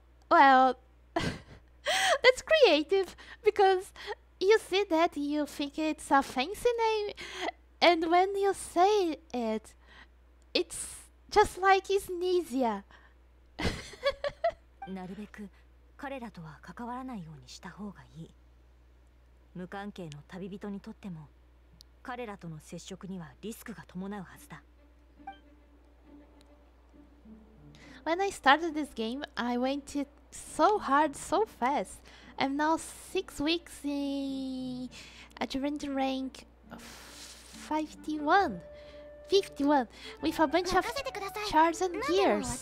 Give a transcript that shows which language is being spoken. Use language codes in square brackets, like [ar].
[en] Well, that's creative because you see that you think it's a fancy name, and when you say it. It's just like it's easier. [ja] なるべく彼らとは関わらないようにした方がいい。無関係の旅人にとっても彼らとの接触にはリスクが伴うはずだ。 [en] When I started this game, I went so hard, so fast. I'm now 6 weeks in Adventure Rank 51. 51 with a bunch of shards and gears.